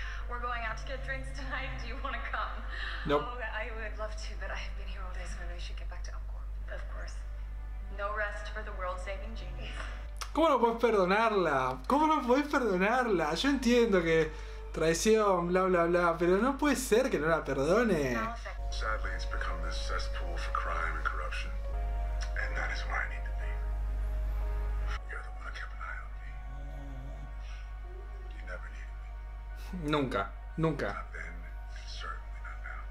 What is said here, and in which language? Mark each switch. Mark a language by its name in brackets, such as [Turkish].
[English] We're going out to get drinks tonight. Do you want to come? No. I would love to, but I've been here all day, so maybe we should get back to Upcorp. Of course. No rest for the world-saving genius. [Spanish] ¿Cómo no podés perdonarla? ¿Cómo no podés perdonarla? Yo entiendo que traición, bla bla bla, pero no puede ser que no la perdone. [English] Sadly, it's become the this cesspool for crime and corruption. And that is where I need to be. You're the one who kept an eye on me. You never needed me. [Spanish] Nunca. Nunca. [English] Not then, certainly not now.